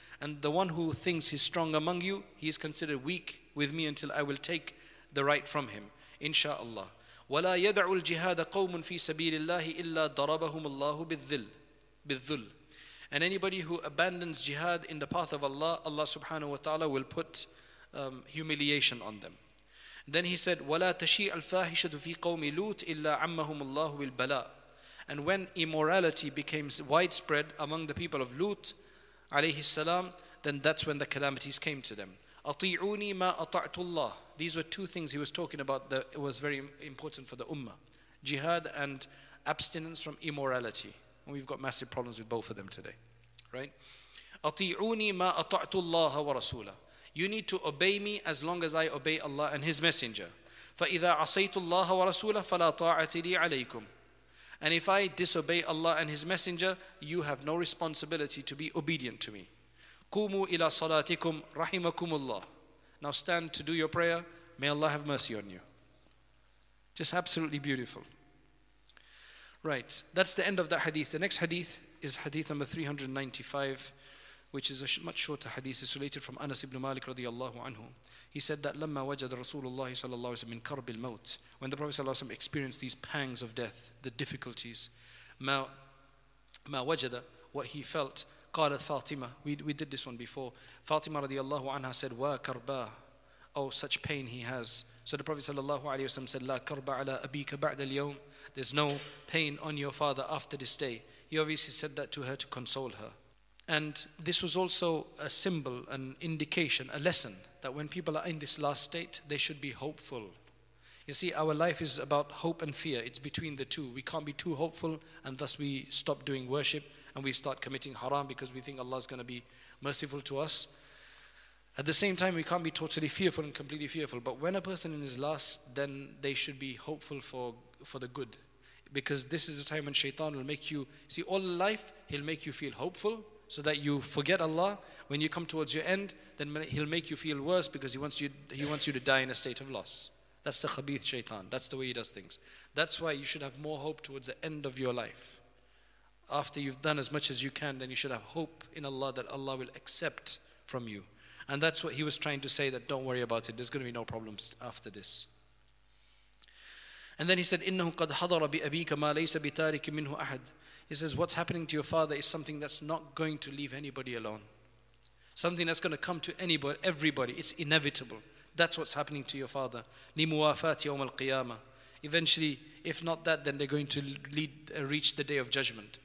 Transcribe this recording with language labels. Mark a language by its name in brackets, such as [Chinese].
[English] And the one who thinks he's strong among you, he is considered weak with me until I will take the right from him, inshaAllah. [Arabic] وَلَا يَدْعُ الْجِهَادَ قَوْمٌ فِي سَبِيلِ اللَّهِ إِلَّا ضَرَبَهُمُ اللَّهُ بِالذُّلِّ. [English] And anybody who abandons jihad in the path of Allah, Allah subhanahu wa ta'ala will put humiliation on them. Then he said, [Arabic] وَلَا تَشِيعَ الْفَاهِشَةُ فِي قَوْمِ لُوتِ إِلَّا عَمَّهُمُ اللَّهُ بِالْبَلَاءِ. [English] And when immorality became widespread among the people of Lut, عليه السلام, then that's when the calamities came to them. [Arabic] أطيعوني ما أطعت الله. [English] These were two things he was talking about that it was very important for the ummah. Jihad and abstinence from immorality. And we've got massive problems with both of them today. Right? [Arabic] أطيعوني ما أطعت الله ورسوله. [English] You need to obey me as long as I obey Allah and His Messenger. [Arabic] فإذا عصيت الله ورسوله فلا طاعة لي عليكم. [English] And if I disobey Allah and His Messenger, you have no responsibility to be obedient to me. [Arabic] قوموا إلى صلاتكم رحمكم الله. [English] Now stand to do your prayer. May Allah have mercy on you. Just absolutely beautiful. Right. That's the end of that hadith. The next hadith is hadith number 395, which is a much shorter hadith. It's related from Anas ibn Malik radiallahu anhu. He said that [Arabic] لما وجد رسول الله صلى الله عليه وسلم من كرب الموت. [English] When the Prophet صلى الله عليه وسلم experienced these pangs of death, the difficulties, [Arabic] ما وجد, [English] what he felt, [Arabic] قالت فاطمة. [English] We did this one before. [Arabic] فاطمة رضي الله عنها [English] said, [Arabic] وا كربا. [English] Oh, such pain he has. So the Prophet [Arabic] صلى الله عليه وسلم [English] said, [Arabic] لا كرب على أبيك بعد اليوم. [English] There's no pain on your father after this day. He obviously said that to her to console her. And this was also a symbol, an indication, a lesson that when people are in this last state, they should be hopeful. You see, our life is about hope and fear. It's between the two. We can't be too hopeful, and thus we stop doing worship and we start committing haram because we think Allah is going to be merciful to us. At the same time, we can't be totally fearful and completely fearful. But when a person is lost, then they should be hopeful for the good. Because this is the time when shaitan will make you, see, all life, he'll make you feel hopeful so that you forget Allah. When you come towards your end, then he'll make you feel worse because he wants you to die in a state of loss. That's the khabith shaitan. That's the way he does things. That's why you should have more hope towards the end of your life. After you've done as much as you can, then you should have hope in Allah that Allah will accept from you. And that's what he was trying to say, that don't worry about it. There's going to be no problems after this. And then he said, [Arabic] إِنَّهُ قَدْ حَضَرَ بِأَبِيكَ مَا لَيْسَ بِتَارِكِ مِنْهُ أَحَدٍ. [English] He says, what's happening to your father is something that's not going to leave anybody alone. Something that's going to come to anybody, everybody. It's inevitable. That's what's happening to your father. [Arabic] لِمُوَافَاتِ يَوْمَ الْقِيَامَةِ. [English] Eventually, if not that, then they're going to reach the day of judgment.